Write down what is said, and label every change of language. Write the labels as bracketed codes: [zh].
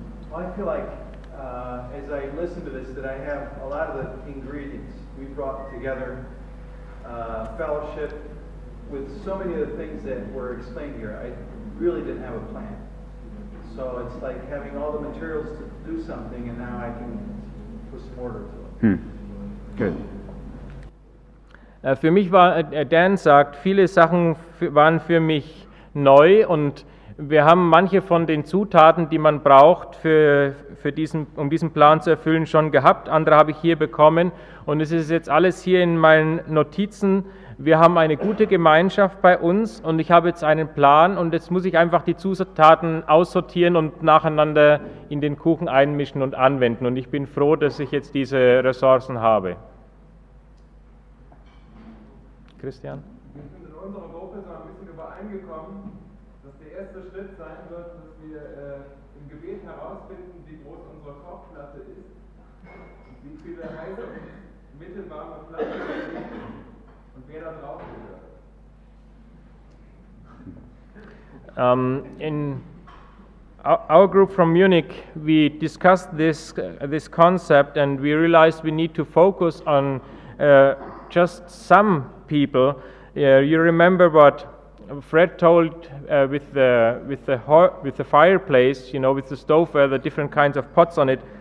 [en] Well, I feel like as I listen to this, that I have a lot of the ingredients we brought together, fellowship, with so many of the things that were explained here, I really didn't have a plan. So it's like having all the materials to do something, and now I can put some order to it. Good. [de] Für mich war, Dan sagt, viele Sachen waren für mich neu, und wir haben manche von den Zutaten, die man braucht, um diesen Plan zu erfüllen, schon gehabt. Andere habe ich hier bekommen, und es ist jetzt alles hier in meinen Notizen. Wir haben eine gute Gemeinschaft bei uns, und ich habe jetzt einen Plan, und jetzt muss ich einfach die Zutaten aussortieren und nacheinander in den Kuchen einmischen und anwenden. Und ich bin froh, dass ich jetzt diese Ressourcen habe. Christian? Wir sind in unserer Gruppe so ein bisschen übereingekommen, dass der erste Schritt sein wird, dass wir im Gebet herausfinden, wie groß unsere Kochplatte ist, wie viele heiße und mittelwarme Platten wir haben. [en] In our group from Munich, we discussed this concept, and we realized we need to focus on just some people. You remember what Fred told with the fireplace, you know, with the stove where the different kinds of pots on it.